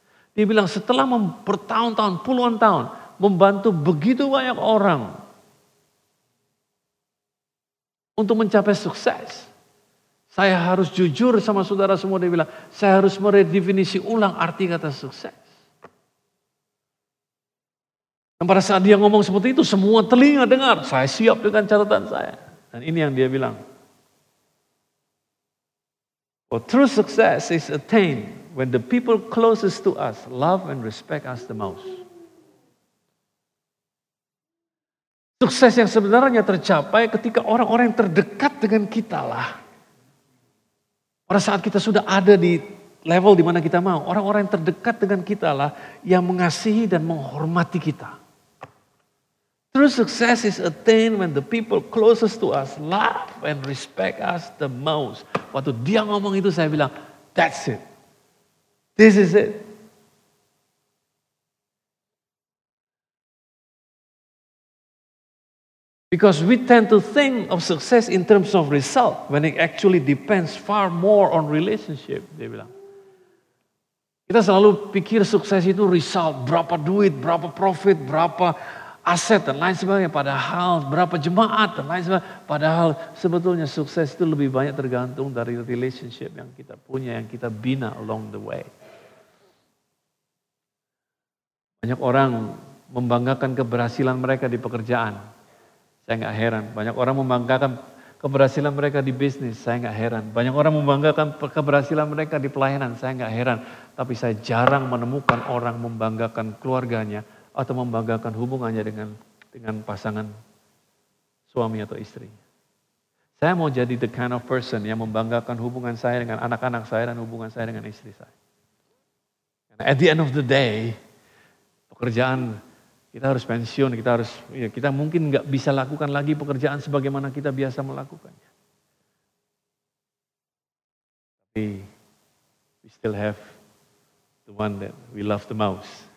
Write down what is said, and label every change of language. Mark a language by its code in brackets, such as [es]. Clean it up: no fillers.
[id] Dia bilang, setelah bertahun-tahun, puluhan tahun, membantu begitu banyak orang untuk mencapai sukses, saya harus jujur sama saudara semua, dia bilang, saya harus meredefinisi ulang arti kata sukses. Dan pada saat dia ngomong seperti itu, semua telinga dengar, saya siap dengan catatan saya. Dan ini yang dia bilang. [en] For true success is attained when the people closest to us love and respect us the most. [id] Sukses yang sebenarnya tercapai ketika orang-orang yang terdekat dengan kita lah. Pada saat kita sudah ada di level di mana kita mau, orang-orang yang terdekat dengan kita lah yang mengasihi dan menghormati kita. [en] True success is attained when the people closest to us love and respect us the most. [id] Waktu dia ngomong itu saya bilang, [en] that's it. This is it. Because we tend to think of success in terms of result when it actually depends far more on relationship, [id] dia bilang. Kita selalu pikir sukses itu result, berapa duit, berapa profit, berapa aset dan lain sebagainya, padahal berapa jemaat dan lain sebagainya, padahal sebetulnya sukses itu lebih banyak tergantung dari relationship yang kita punya, yang kita bina [en] along the way. [id] Banyak orang membanggakan keberhasilan mereka di pekerjaan, saya gak heran. Banyak orang membanggakan keberhasilan mereka di bisnis, saya gak heran. Banyak orang membanggakan keberhasilan mereka di pelayanan, saya gak heran. Tapi saya jarang menemukan orang membanggakan keluarganya atau membanggakan hubungannya dengan pasangan suami atau istri. Saya mau jadi [en] the kind of person [id] yang membanggakan hubungan saya dengan anak-anak saya dan hubungan saya dengan istri saya. [en] At the end of the day, [id] pekerjaan kita harus pensiun, kita harus ya, kita mungkin enggak bisa lakukan lagi pekerjaan sebagaimana kita biasa melakukannya. [en] Tapi we still have the one that we love the most.